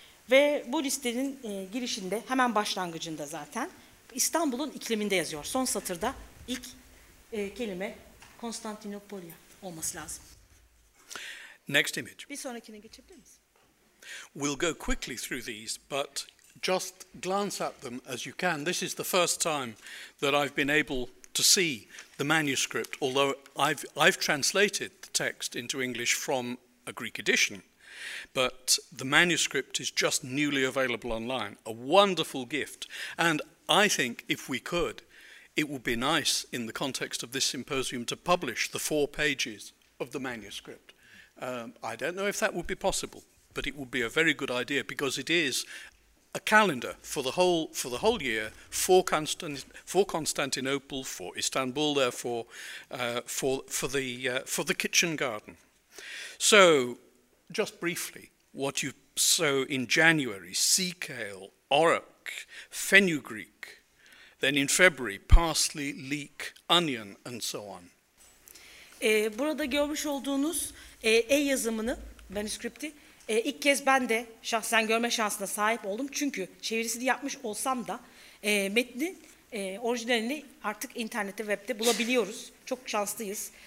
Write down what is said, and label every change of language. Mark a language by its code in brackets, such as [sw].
[tr] Ve bu listenin girişinde, hemen başlangıcında zaten, İstanbul'un ikliminde yazıyor. Son satırda ilk kelime Konstantinopolia olması lazım. [en] Next image. [tr] Bir sonrakine geçebilir misin? [en] We'll go quickly through these, but just glance at them as you can. This is the first time that I've been able to see the manuscript, although I've translated the text into English from a Greek edition, but the manuscript is just newly available online. A wonderful gift. And I think if we could, it would be nice in the context of this symposium to publish the four pages of the manuscript. I don't know if that would be possible, but it would be a very good idea because it is a calendar for the whole year for Constantinople, for Istanbul, therefore for the kitchen garden. So, just briefly, what you sow in January: sea kale, orach, fenugreek. Then in February, parsley, leek, onion, and so on. [tr] Burada görmüş olduğunuz el yazımını, manuskripti, ilk kez ben de şahsen görme şansına sahip oldum. Çünkü çevirisini yapmış olsam da metnin orijinalini artık internette, webde bulabiliyoruz. Çok şanslıyız.